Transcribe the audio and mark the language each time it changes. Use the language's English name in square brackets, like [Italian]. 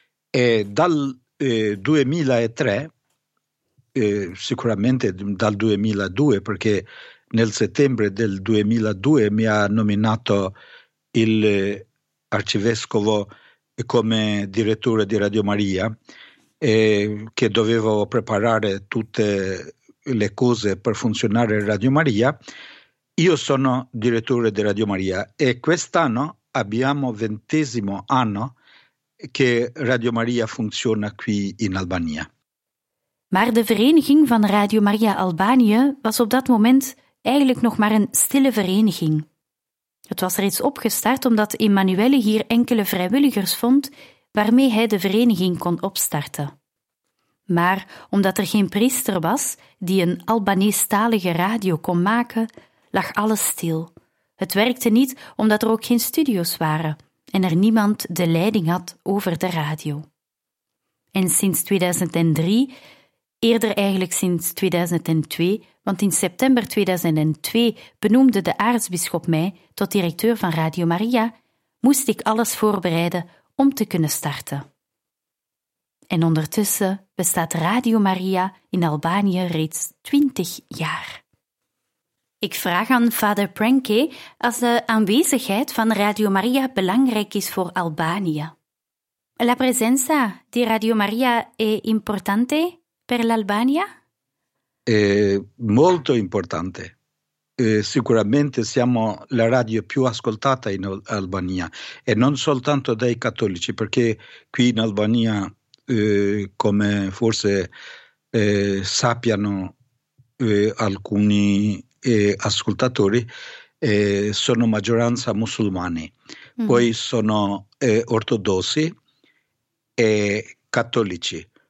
[Italian] E dal 2003, sicuramente dal 2002, perché nel settembre del 2002 mi ha nominato il arcivescovo come direttore di Radio Maria, che dovevo preparare tutte le cose per funzionare Radio Maria, io sono direttore di Radio Maria, e quest'anno abbiamo 20° anno che Radio Maria funziona qui in Albania. [Dutch] Maar de vereniging van Radio Maria Albanië was op dat moment eigenlijk nog maar een stille vereniging. Het was reeds opgestart omdat Emanuele hier enkele vrijwilligers vond waarmee hij de vereniging kon opstarten. Maar omdat er geen priester was die een Albanees-talige radio kon maken, lag alles stil. Het werkte niet omdat er ook geen studio's waren en er niemand de leiding had over de radio. En sinds 2003, eerder eigenlijk sinds 2002, want in september 2002 benoemde de aartsbisschop mij tot directeur van Radio Maria, moest ik alles voorbereiden om te kunnen starten. En ondertussen bestaat Radio Maria in Albanië reeds 20 jaar. Ik vraag aan vader Prenke als de aanwezigheid van Radio Maria belangrijk is voor Albanië. [Italian] La presenza di Radio Maria è importante per l'Albania? Molto importante. Sicuramente siamo la radio più ascoltata in Albania e non soltanto dai cattolici, perché qui in Albania, come forse sappiano alcuni ascoltatori, sono maggioranza musulmani, poi sono ortodossi e cattolici.